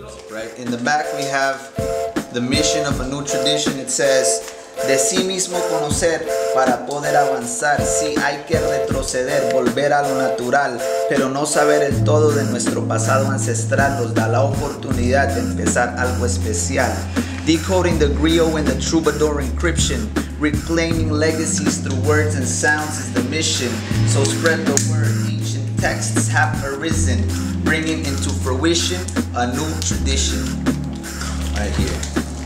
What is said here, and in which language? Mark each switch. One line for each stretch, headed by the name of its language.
English: Right in the back, we have the mission of A New Tradition. It says,
Spanish: de sí mismo conocer para poder avanzar. Sí, hay que retroceder, volver a lo natural, pero no saber el todo de nuestro pasado ancestral nos da la oportunidad de empezar algo especial.
English: Decoding the griot and the troubadour encryption, reclaiming legacies through words and sounds is the mission. So spread the word, ancient texts have arisen, bringing into fruition a new tradition. Right here.